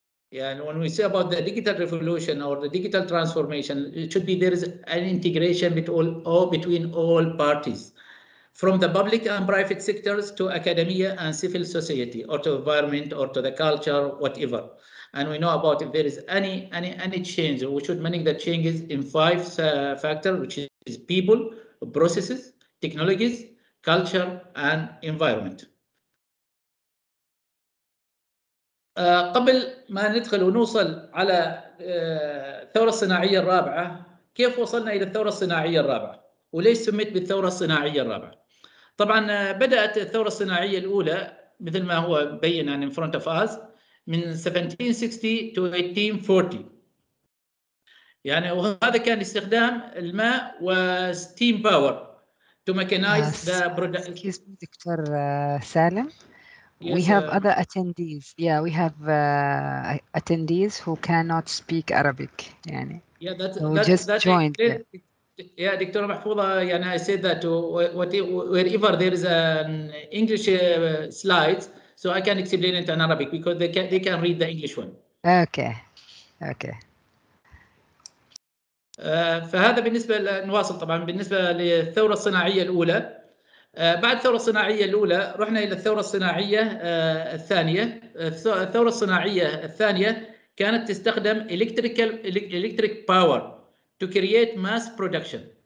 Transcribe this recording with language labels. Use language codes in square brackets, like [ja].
[en] Yeah, and when we say about the digital revolution or the digital transformation, it should be there is an integration between all parties, from the public and private sectors to academia and civil society, or to environment, or to the culture, whatever. And we know about if there is any change, we should manage the changes in five factors, which is people, processes, technologies, culture, and environment. [ar] قبل ما ندخل ونوصل على الثورة الصناعية الرابعة, كيف وصلنا إلى الثورة الصناعية الرابعة؟ وليش سميت بالثورة الصناعية الرابعة؟ طبعاً بدأت الثورة الصناعية الأولى مثل ما هو بين [en] in front of us [ar] من 1760 to 1840. يعني وهذا كان استخدام الماء و [en] steam power to mechanize the production. Excuse me, Dr. Salem. Yes, we have other attendees. Yeah, we have attendees who cannot speak Arabic. [ar] يعني [en] who just joined. Yeah, Dr. Mahfouza, yani I said that wherever there is an English slide, so I can explain it in Arabic because they can read the English one. Okay. [ar] فهذا بالنسبة لنواصل طبعا بالنسبة للثورة الصناعية الأولى. بعد الثورة الصناعية الأولى رحنا إلى الثورة الصناعية الثانية. الثورة الصناعية الثانية كانت تستخدم [en] electric power to create mass production.